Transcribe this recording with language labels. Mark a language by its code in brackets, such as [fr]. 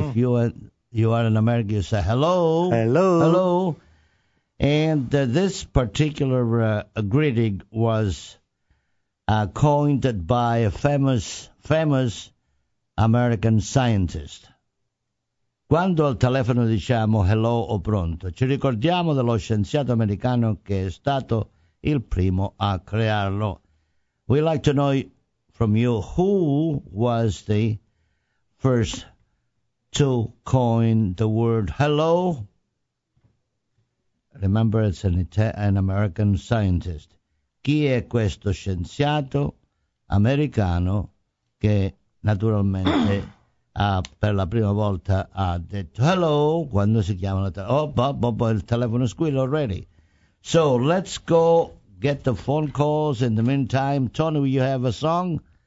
[en] If you are in America, you say hello. Hello. Hello. And this particular greeting was coined by a famous American scientist. [it] Quando al telefono diciamo hello o pronto, ci ricordiamo dello scienziato americano che è stato il primo a crearlo. [en] We like to know from you who was the first to coin the word hello. Remember, it's an American scientist. [it] Chi è questo scienziato americano che naturalmente per la prima volta ha detto hello quando si chiama la il telefono squilla [en] already. So let's go get the phone calls. In the meantime, Tony, will you have a song?